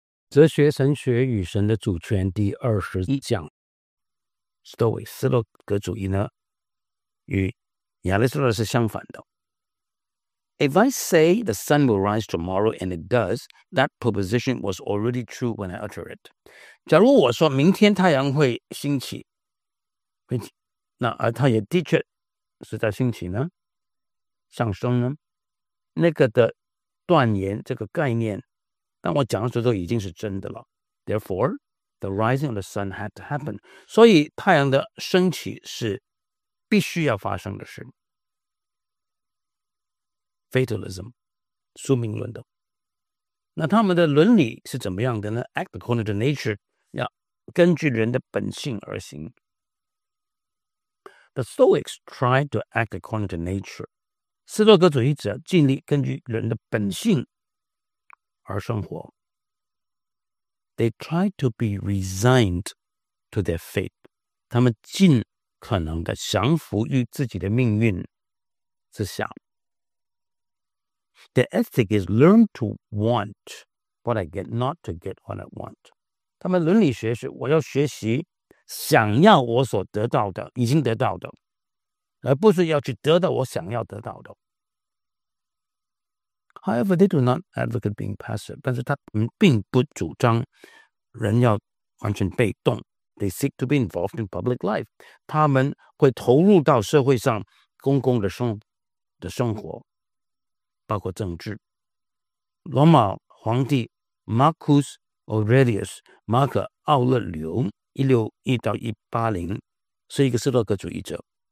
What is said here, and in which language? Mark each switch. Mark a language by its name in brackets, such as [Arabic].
[Chinese] 哲学神学与神的主权第二十一讲，斯多伟斯洛格主义呢与亚里士多德是相反的。 [English] If I say the sun will rise tomorrow and it does, that proposition was already true when I utter it. [Chinese] 假如我说明天太阳会兴起，那而它也的确是在兴起呢，上升呢，那个的断言这个概念当我讲的时候都已经是真的了。 [English] Therefore, the rising of the sun had to happen. [Chinese] 所以太阳的升起是必须要发生的事。 Fatalism, 宿命论的。那他们的伦理是怎么样的呢？ [English] Act according to nature, [Chinese] 要根据人的本性而行。 [English] The Stoics tried to act according to nature. [Chinese] 斯多格主义者尽力根据人的本性而生活。 [English] They try to be resigned to their fate. [Chinese] 他们尽可能的降服于自己的命运之下。 [English] The ethic is learn to want what I get, not to get what I want. [Chinese] 他们伦理学是我要学习想要我所得到的，已经得到的，而不是要去得到我想要得到的。 [English] However, they do not advocate being passive. [Chinese] 但是他们并不主张人要完全被动。 [English] They seek to be involved in public life. [Chinese] 他们会投入到社会上公共的生活，包括政治。罗马皇帝 Marcus Aurelius, 马可·奥勒留，161-180，是一个斯多葛主义者。